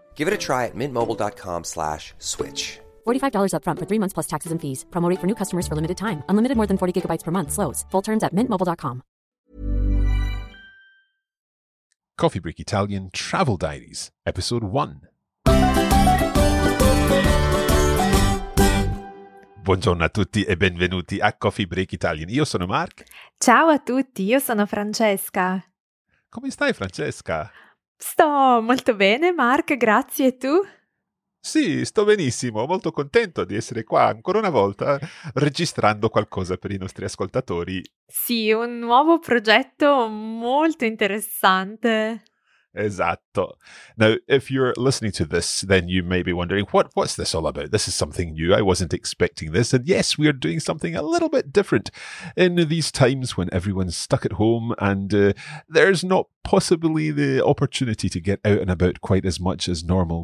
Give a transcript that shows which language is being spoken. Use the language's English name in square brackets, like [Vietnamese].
[English] Give it a try at mintmobile.com/switch. $45 up front for 3 months plus taxes and fees. Promo rate for new customers for limited time. Unlimited more than 40 gigabytes per month slows. Full terms at mintmobile.com. Coffee Break Italian Travel Diaries, Episode 1. [Italian] Buongiorno a tutti e benvenuti a Coffee Break Italian. Io sono Mark. Ciao a tutti, io sono Francesca. Come stai, Francesca? Sto molto bene, Mark, grazie. E tu? Sì, sto benissimo, molto contento di essere qua ancora una volta registrando qualcosa per i nostri ascoltatori. Sì, un nuovo progetto molto interessante. Esatto. [English] Now, if you're listening to this, then you may be wondering, what's this all about? This is something new. I wasn't expecting this. And yes, we are doing something a little bit different in these times when everyone's stuck at home and there's not possibly the opportunity to get out and about quite as much as normal.